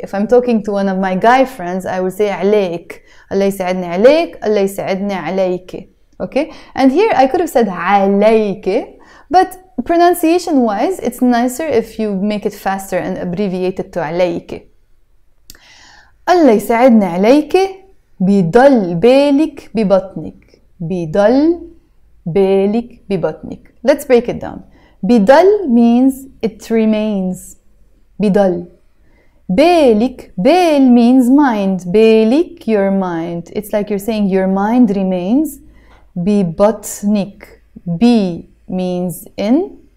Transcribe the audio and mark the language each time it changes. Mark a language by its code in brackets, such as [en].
[en] If I'm talking to one of my guy friends, I would say عليك. [ar] الله يساعدني عليك. الله يساعدني عليك. Okay? [en] And here I could have said عليك, but pronunciation-wise, it's nicer if you make it faster and abbreviate it to عليك. [ar] الله يساعدني عليك بيضل بالك ببطنك. بيضل بالك ببطنك. [en] Let's break it down. بيضل means it remains. [ar] بيضل. [en] بالك, بال means mind. بالك, your mind. It's like you're saying your mind remains. ببطنك. ب means in.